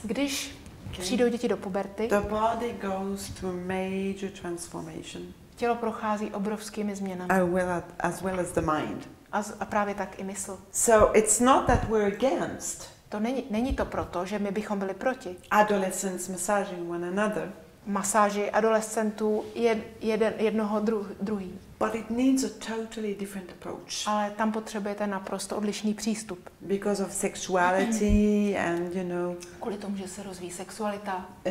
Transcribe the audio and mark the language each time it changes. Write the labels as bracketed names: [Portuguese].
[Czech] když přijdou děti do puberty, [English] the body goes through major transformation. [Czech] Tělo prochází obrovskými změnami. [English] As well as the mind. [Czech] A právě tak i mysl. [English] So it's not that we're against. [Czech] To není to proto, že my bychom byli proti. [English] Adolescents massaging one another. [Czech] Masáži adolescentů jednoho druhý. [English] But it needs a totally different approach. [Czech] Ale tam potřebujete naprosto odlišný přístup. [English] Because of sexuality and you know. [Czech] Kvůli tomu, že se rozvíjí sexualita.